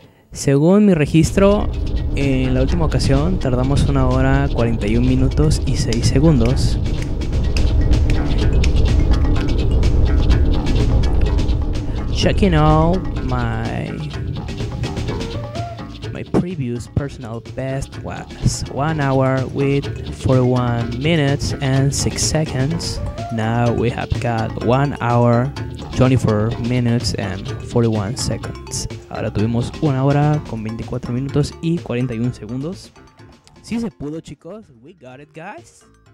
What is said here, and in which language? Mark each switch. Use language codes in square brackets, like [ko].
[es] Según mi registro, en la última ocasión tardamos 1 hora 41 minutos y 6 segundos. [en] Checking out my previous personal best was 1 hour with 41 minutes and 6 seconds. Now we have got 1 hour 24 minutes and 41 seconds. [es] Ahora tuvimos 1 hora con 24 minutos y 41 segundos. Sí se pudo, chicos. [en] We got it, guys.